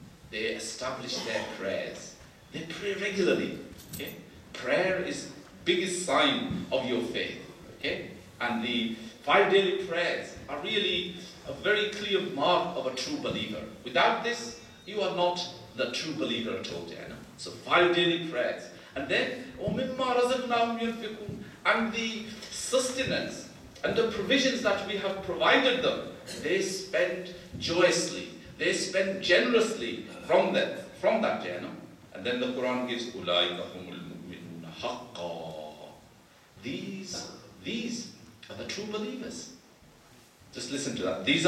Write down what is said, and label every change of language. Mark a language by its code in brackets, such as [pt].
[en] They establish their prayers. They pray regularly. Okay? Prayer is biggest sign of your faith. Okay? And the five daily prayers are really a very clear mark of a true believer. Without this, you are not the true believer at all, Jana. So five daily prayers. And then, [ar] وَمِمَّا رَزَقْنَاهُمْ يُنْفِقُونَ. [en] And the sustenance and the provisions that we have provided them, they spend joyously, they spend generously from that, Jana. And then the Quran gives, [ar] أُولَٰئِكَ هُمُ الْمُؤْمِنُونَ حَقًّا. [en] These are the true believers. Just listen to that.